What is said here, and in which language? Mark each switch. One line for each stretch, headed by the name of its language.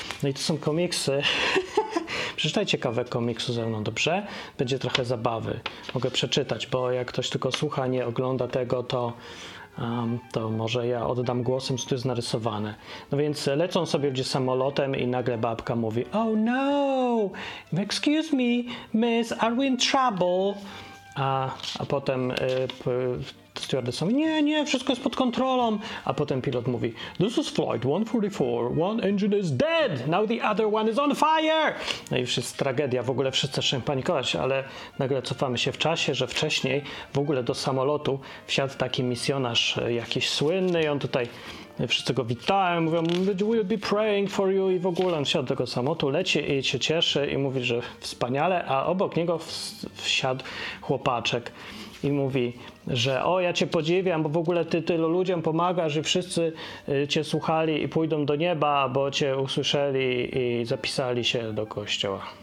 Polish: No i to są komiksy. Przeczytaj ciekawe komiksu ze mną, dobrze? Będzie trochę zabawy. Mogę przeczytać, bo jak ktoś tylko słucha, nie ogląda tego, to może ja oddam głosem, co tu jest narysowane. No więc lecą sobie gdzieś samolotem i nagle babka mówi:
English: "Oh no! Excuse me, miss, are we in trouble?"
Polish: A potem stewardessa mówi: nie, wszystko jest pod kontrolą.
English: A potem pilot mówi: "This is flight 144, one engine is dead, now the other one is on fire."
Polish: No i już jest tragedia, w ogóle wszyscy zaczynają panikować, ale nagle cofamy się w czasie, że wcześniej w ogóle do samolotu wsiadł taki misjonarz jakiś słynny i on tutaj, wszyscy go witają, mówią:
English: "We'll be praying for you."
Polish: I w ogóle on wsiadł do tego samolotu, leci i się cieszy i mówi, że wspaniale, a obok niego wsiadł chłopaczek i mówi, że: "O, ja cię podziwiam, bo w ogóle ty tylu ludziom pomagasz i wszyscy cię słuchali i pójdą do nieba, bo cię usłyszeli i zapisali się do kościoła."